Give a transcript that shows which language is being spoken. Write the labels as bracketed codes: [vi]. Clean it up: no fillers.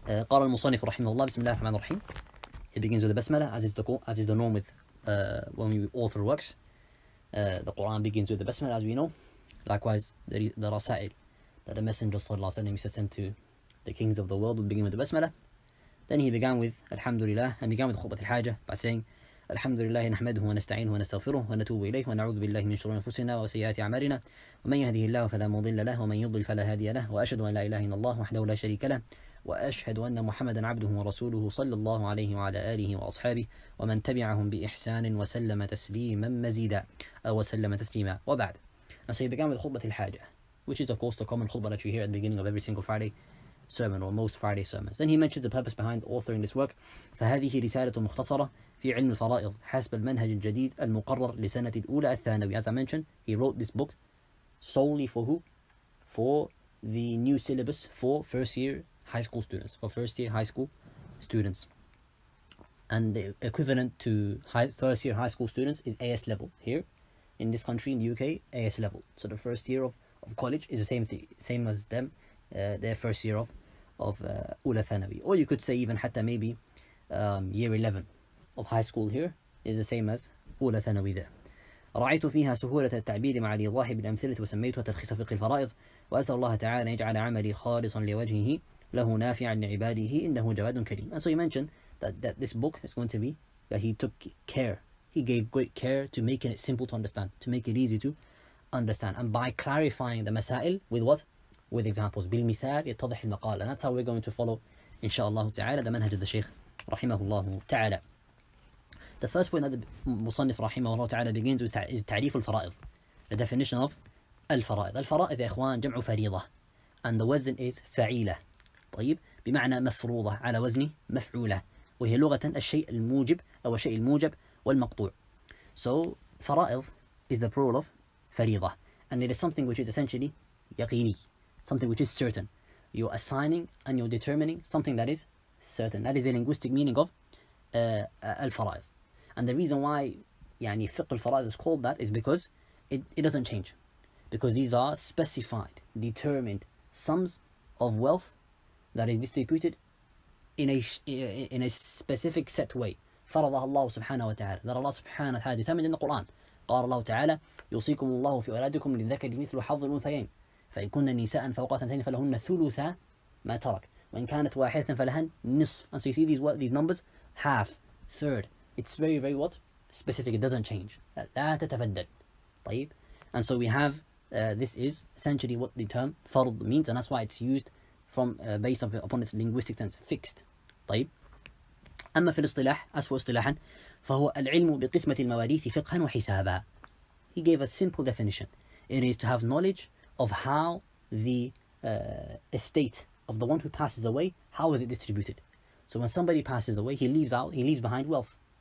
[ar] قال المصنف رحمه الله بسم الله الرحمن الرحيم. [en] He begins with the basmala, as is the norm with when we author works. The Quran begins with the basmala, as we know. Likewise, the rasail, that the Messenger sallallahu alayhi wa sallam sent to the kings of the world, would begin with the basmala. Then he began with alhamdulillah, and began with khutbat al-hajah by saying, [ar] الحمد لله نحمده ونستعينه ونستغفره ونتوب إليه ونعوذ بالله من شرور أنفسنا وسيئات أعمالنا ومن يهده الله فلا مضل له ومن يضلل فلا هادي له وأشهد أن لا إله إلا الله وحده لا شريك له وأشهد أن محمدا عبده ورسوله صلى الله عليه وعلى آله وأصحابه ومن تبعهم بإحسان وسلم تسليما مزيدا أو سلم تسليما وبعد. [en] And so he began with خطبة الحاجة, which is of course the common خطبة that you hear at the beginning of every single Friday sermon, or most Friday sermons. Then he mentions the purpose behind authoring this work. [ar] فهذه رسالة مختصرة في علم الفرائض حسب المنهج الجديد المقرر لسنة الأولى الثانوي. [en] As I mentioned, he wrote this book solely for who? For the new syllabus for first year high school students. For first year high school students. And the equivalent to first year high school students is AS level. Here in this country, in the UK, AS level. So the first year of college is the same thing, same as them. Their first year of Ula Thanawi. Or you could say even hatta maybe year 11 of high school here is the same as Ula Thanawi there. [ar] رأيت فيها سهولة التعبير مع الإيضاح بالأمثلة وسميتها تلخيص فقه الفرائض وأسأل الله تعالى يجعل عملي خالصا لوجهه له نافعا لعباده إنه جواد كريم. [en] And so he mentioned that this book is going to be that he took care, he gave great care to making it simple to understand, to make it easy to understand, and by clarifying the masail with what? With examples. [ar] بالمثال يتضح المقال. [en] And that's how we're going to follow, inshallah ta'ala, the manhaj of the Shaykh rahimahullah ta'ala. The first point that the Musannif rahimahullah ta'ala begins with is ta'rif al-fara'idh, the definition of al-fara'idh. Al-fara'idh, ya ikhwan, jam'u fariidha, and the wazn is fa'ila. [ar] طيب, بمعنى مفروضة على وزن مفعولة, وهي لغة الشيء الموجب أو الشيء الموجب والمقطوع. [en] So, fara'idh is the plural of fariidha, and it is something which is essentially yaqini, something which is certain. You're assigning and you're determining something that is certain. That is the linguistic meaning of al-fara'idh. And the reason why يعني fiqh al-fara'idh is called that is because it doesn't change. Because these are specified, determined sums of wealth that is distributed in a specific set way. [ar] فَرَضَهَ اللَّهُ سُبْحَانَهُ وَتَعَالَى. [en] That Allah subhanahu wa ta'ala determined in the Quran. [ar] قَالَ اللَّهُ تَعَالَى يُوصِيكُمُ اللَّهُ فِي أَوْلَادِكُمْ لِلذَكَرِ مِثْلُ حَظِّ الْأُنْثَيَيْنِ فإن كنا نساء فوق اثنتين فلهن ثلثا ما ترك وإن كانت واحدة فلهن نصف. [en] And so you see these numbers, half, third, it's very, very what? Specific, it doesn't change. [ar] لا تتبدل. طيب. [en] And so we have This is essentially what the term farḍ means, and that's why it's used from based upon its linguistic sense, fixed. [ar] طيب. أما في الاصطلاح, [en] as for [ar] اصطلاحا, فهو العلم بقسمة المواريث فقها وحسابا. [en] He gave a simple definition. It is to have knowledge of how the estate of the one who passes away, how is it distributed. So when somebody passes away, he leaves out, he leaves behind wealth.